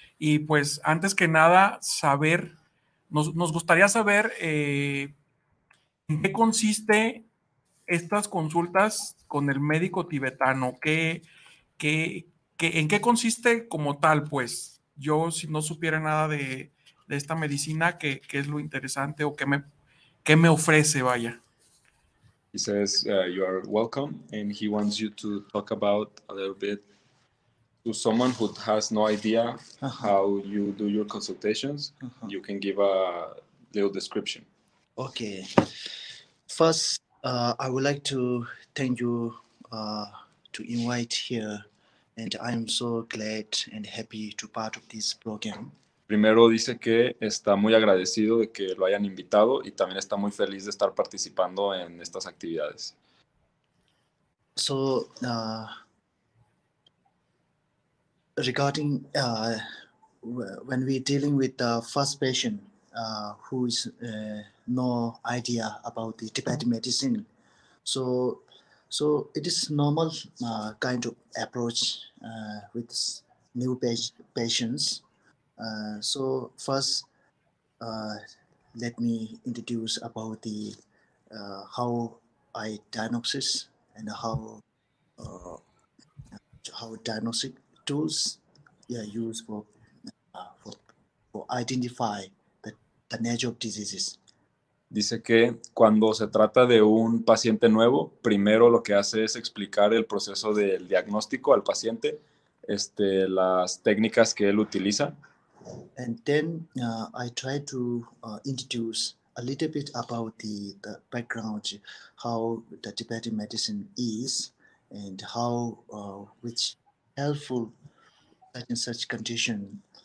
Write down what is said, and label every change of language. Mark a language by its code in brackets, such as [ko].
[es] Y pues antes que nada, saber... Nos gustaría saber en qué consiste estas consultas con el médico tibetano. ¿En qué consiste como tal? Pues yo, si no supiera nada de esta medicina, ¿qué es lo interesante o qué me ofrece, vaya? [en] He says you are welcome and he wants you to talk about a little bit to someone who has no idea how you do your consultations, you can give a little description. Okay. First, I would like to thank you to invite here, and I am so glad and happy to part of this program. [es] Primero dice que está muy agradecido de que lo hayan invitado y también está muy feliz de estar participando en estas actividades. [en] So, regarding when we dealing with the first patient who is no idea about the Tibetan medicine, so it is normal kind of approach with new patients. So first, let me introduce about the how I diagnosis and how diagnostic tools used for identify the nature of diseases. [es] Dice que cuando se trata de un paciente nuevo, primero lo que hace es explicar el proceso del diagnóstico al paciente, las técnicas que él utiliza. [en] And then I try to introduce a little bit about the background, how the Tibetan medicine is and how which helpful in such condition,